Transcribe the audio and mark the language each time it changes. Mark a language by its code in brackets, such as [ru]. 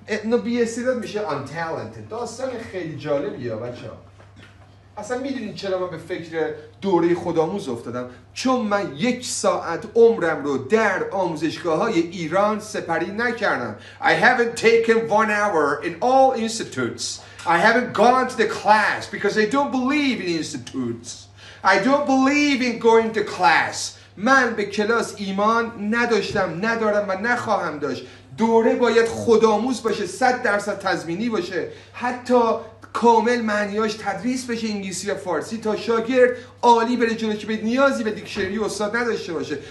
[fa] نو بی استعداد میشه untalented. داستان خیلی جالبیه بچه ها. اصلا میدونین چرا من به فکر دوره خودآموز افتادم؟ چون من یک ساعت عمرم رو در آموزشگاه های ایران سپری نکردم. [en] I haven't taken one hour in all institutes. I haven't gone to the class because I don't believe in institutes. I don't believe in going to class. [fa] من به کلاس ایمان نداشتم، ندارم و نخواهم داشت. دوره باید خودآموز باشه، 100% تضمینی باشه، حتی کامل معنیاش تدریس بشه انگلیسی و فارسی تا شاگرد عالی بره جلو که به نیازی به دیکشنری استاد نداشته باشه.